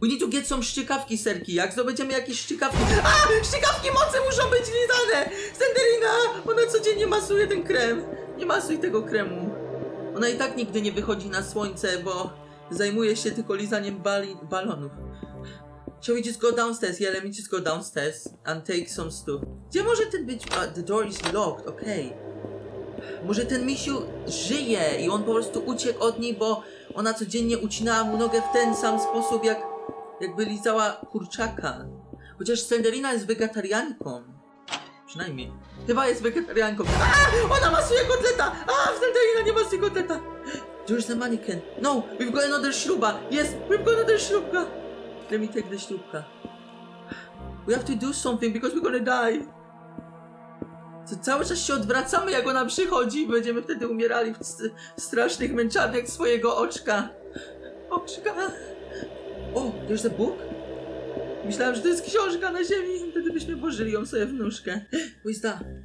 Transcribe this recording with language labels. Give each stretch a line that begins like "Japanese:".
English: We need to get some
Polish: strzykawki, Serki. Jak zdobędziemy jakieś strzykawki... Aaaa! Strzykawki mocy muszą być lizane! Slenderina! Ona codziennie masuje ten krem. Nie masuj tego kremu. Ona i tak nigdy nie wychodzi na słońce, bo... Zajmuje się tylko lizaniem balonów.
English: Shall we just go downstairs? Yeah, let me just go downstairs and take some stuff.
Polish: Gdzie może ten być?
English: The door is locked,
Polish: okej. Może ten misiu żyje i on po prostu uciekł od niej, bo ona codziennie ucinała mu nogę w ten sam sposób, jakby lizała kurczaka. Chociaż Slenderina jest wegetarianką. Przynajmniej. Chyba jest wegetarianką. Aaa! Ona masuje kotleta! Aaa! Slenderina nie masuje kotleta!
English: There's a mannequin. No, we've got another śruba. Yes, we've got another śrubka. Let me take the śrubka. We have to do something because we're gonna die.
Polish: To cały czas się odwracamy, jak ona przychodzi. Będziemy wtedy umierali w strasznych męczarniach swojego oczka. Oczka.
English: Oh, there's a book?
Polish: Myślałam, że to jest książka na ziemi. Wtedy byśmy włożyli ją sobie w nóżkę.
English: What is that?